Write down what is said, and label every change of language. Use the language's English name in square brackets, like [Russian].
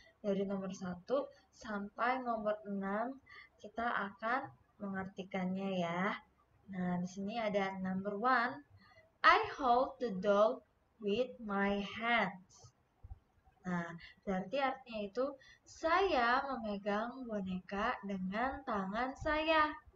[Indonesian] Dari nomor 1 sampai nomor 6 kita akan mengartikannya ya. Nah, di sini ada number 1. [English] I hold the doll with my hands. [Indonesian] Nah, berarti artinya itu saya memegang boneka dengan tangan saya.